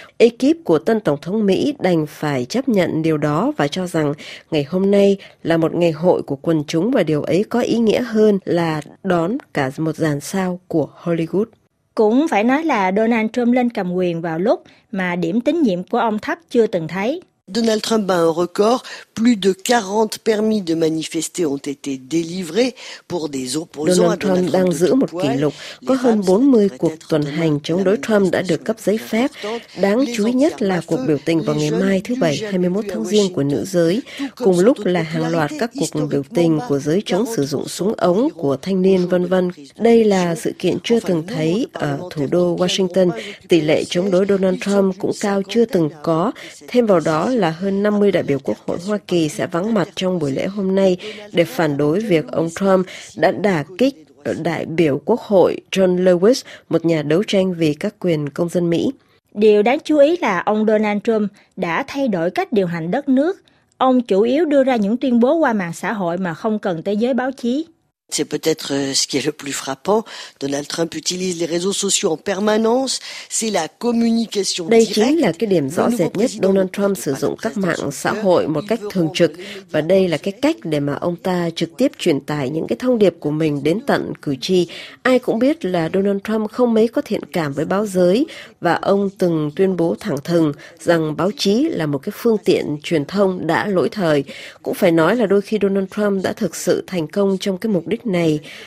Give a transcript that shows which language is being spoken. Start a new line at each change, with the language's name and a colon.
Vietnamese: Ekip của tân Tổng thống Mỹ đành phải chấp nhận điều đó và cho rằng ngày hôm nay là một ngày hội của quần chúng và điều ấy có ý nghĩa hơn là đón cả một dàn sao của Hollywood. Cũng phải nói là Donald Trump lên cầm quyền vào lúc mà điểm tín nhiệm của ông thấp chưa từng thấy.
French: Donald Trump bat un record, plus de 40 permis de manifester ont été délivrés pour des opposants à
Vietnamese: Donald Trump đang giữ một kỷ lục, có hơn 40 cuộc tuần hành chống đối Trump đã được cấp giấy phép. Đáng chú ý nhất là cuộc biểu tình vào ngày mai thứ Bảy 21 tháng Giêng của nữ giới, cùng lúc là hàng loạt các cuộc biểu tình của giới chống sử dụng súng ống của thanh niên vân vân. Đây là sự kiện chưa từng thấy ở thủ đô Washington, tỷ lệ chống đối Donald Trump cũng cao chưa từng có. Thêm vào đó là hơn 50 đại biểu Quốc hội Hoa Kỳ sẽ vắng mặt trong buổi lễ hôm nay để phản đối việc ông Trump đã đả kích đại biểu Quốc hội John Lewis, một nhà đấu tranh vì các quyền công dân Mỹ. Điều đáng chú ý là ông Donald Trump đã thay đổi cách điều hành đất nước. Ông chủ yếu đưa ra những tuyên bố qua mạng xã hội mà không cần tới giới báo chí.
French: C'est peut-être ce qui est le plus frappant. Donald Trump utilise les réseaux sociaux en permanence. C'est la communication directe.
Vietnamese: Đây chính là cái điểm rõ rệt nhất. Donald Trump sử dụng các mạng xã hội một cách thường trực và đây là cái cách để mà ông ta trực tiếp truyền tải những cái thông điệp của mình đến tận cử tri. Ai cũng biết là Donald Trump không mấy có thiện cảm với báo giới và ông từng tuyên bố thẳng thừng rằng báo chí là một cái phương tiện truyền thông đã lỗi thời. Cũng phải nói là đôi khi Donald Trump đã thực sự thành công trong cái mục đích này.